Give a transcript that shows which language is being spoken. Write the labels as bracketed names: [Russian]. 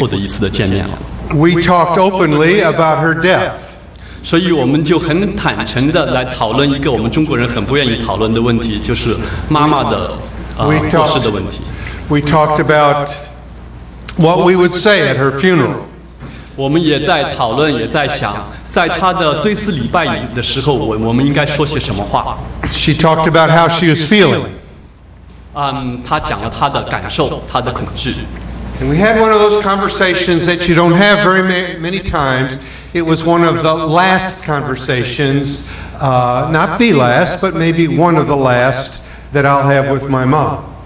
[Chinese] 所以我们两个人都意识到，这有可能是我们两个人很可能是比较最后的一次的见面了。 [English] We talked openly about her death. [Chinese] 所以我们就很坦诚地来讨论一个我们中国人很不愿意讨论的问题，就是妈妈的过世的问题。 [English] We talked about what we would say at her funeral. [Chinese] 我们也在讨论，也在想，在她的追思礼拜的时候，我们应该说些什么话。 [English] She talked about how she was feeling. [Chinese] 她讲了她的感受，她的恐惧。 [English] And we had one of those conversations that you don't have very many times. It was one of the last conversations, not the last, but maybe one of the last that I'll have with my mom.